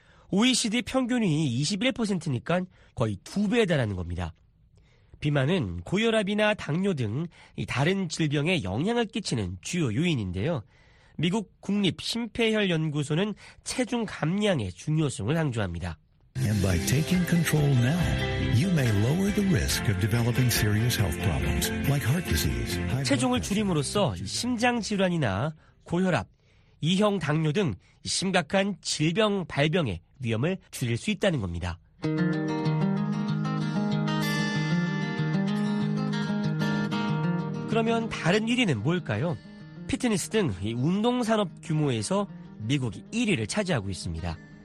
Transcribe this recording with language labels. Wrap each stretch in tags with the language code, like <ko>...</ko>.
<ko>OECD 평균이 21%니까 거의 2배에 달하는 겁니다. 비만은 고혈압이나 당뇨 등 다른 질병에 영향을 끼치는 주요 요인인데요. 미국 국립심폐혈연구소는 체중 감량의 중요성을 강조합니다.</ko> <en>And by taking control now, you may lower the risk of developing serious health problems like heart disease.</en> <ko>체중을 줄임으로써 심장 질환이나 고혈압, 2형 당뇨 등 심각한 질병 발병의 위험을 줄일 수 있다는 겁니다. 그러면 다른 1위는 뭘까요? 피트니스 등 운동 산업 규모에서 미국이 1위를 차지하고 있습니다.</ko>